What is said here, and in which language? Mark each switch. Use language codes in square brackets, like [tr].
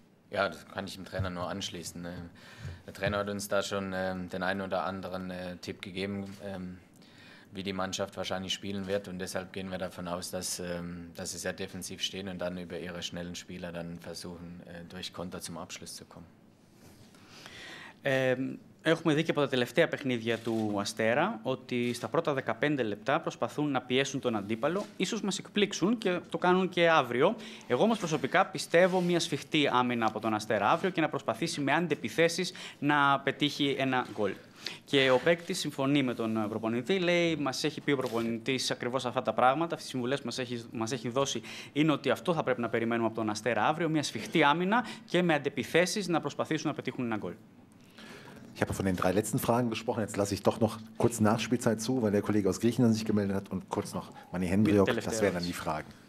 [de] Ja, das kann ich dem Trainer nur anschließen. Der Trainer hat uns da schon den einen oder anderen Tipp gegeben, wie die Mannschaft wahrscheinlich spielen wird. Und deshalb gehen wir davon aus, dass sie sehr defensiv stehen und dann über ihre schnellen Spieler dann versuchen, durch Konter zum Abschluss zu kommen. [el] Έχουμε δει και από τα τελευταία παιχνίδια του Αστέρα ότι στα πρώτα 15 λεπτά προσπαθούν να πιέσουν τον αντίπαλο. Ίσως μας εκπλήξουν και το κάνουν και αύριο. Εγώ όμως προσωπικά πιστεύω μια σφιχτή άμυνα από τον Αστέρα αύριο και να προσπαθήσει με αντεπιθέσεις να πετύχει ένα γκολ. Και ο παίκτης συμφωνεί με τον προπονητή. Λέει, μας έχει πει ο προπονητής ακριβώς αυτά τα πράγματα. Αυτές οι συμβουλές μας έχει δώσει είναι ότι αυτό θα πρέπει να περιμένουμε από τον Αστέρα αύριο. Μια σφιχτή άμυνα και με αντεπιθέσεις να προσπαθήσουν να πετύχουν ένα γκολ. [de] Ich habe von den drei letzten Fragen gesprochen. Jetzt lasse ich doch noch kurz Nachspielzeit zu, weil der Kollege aus Griechenland sich gemeldet hat. Und kurz noch Mani Hendriok, das wären dann die Fragen.